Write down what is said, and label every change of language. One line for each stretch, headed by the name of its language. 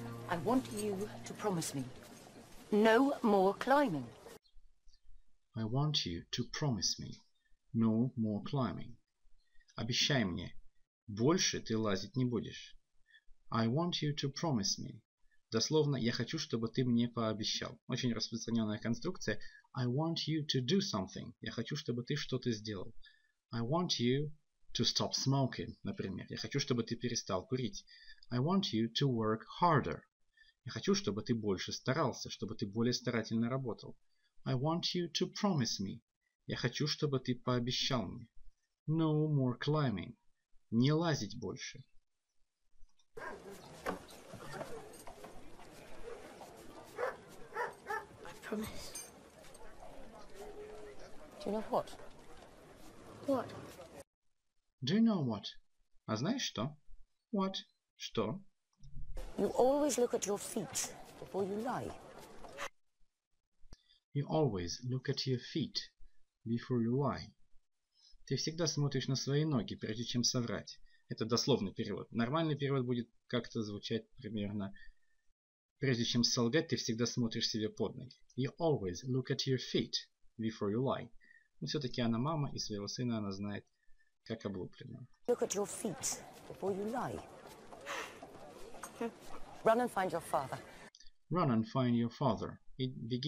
English: I want you to promise me no more climbing. I want you to promise me no more climbing.
Russian: Обещай мне, больше ты лазить не будешь.
English: I want you to promise me.
Russian: Дословно, я хочу, чтобы ты мне пообещал. Очень распространенная конструкция.
English: I want you to do something.
Russian: Я хочу, чтобы ты что-то сделал.
English: I want you to stop smoking, например.
Russian: Я хочу, чтобы ты перестал курить.
English: I want you to work harder.
Russian: Я хочу, чтобы ты больше старался, чтобы ты более старательно работал.
English: I want you to promise me.
Russian: Я хочу, чтобы ты пообещал мне.
English: No more climbing.
Russian: Не лазить больше.
English: I promise. Do you know what? What? Do you know what?
Russian: А знаешь что?
English: What?
Russian: Что?
English: You always look at your feet before you lie. You always look at your feet before you lie.
Russian: Ты всегда смотришь на свои ноги, прежде чем соврать. Это дословный перевод. Нормальный перевод будет как-то звучать примерно: прежде чем солгать, ты всегда смотришь себе под ноги.
English: You always look at your feet before you lie.
Russian: Но все-таки она мама, и своего сына она знает как облупленного.
English: Look at your feet before you lie. Run and find your father. Run and find your father.
Russian: И беги, найди своего отца.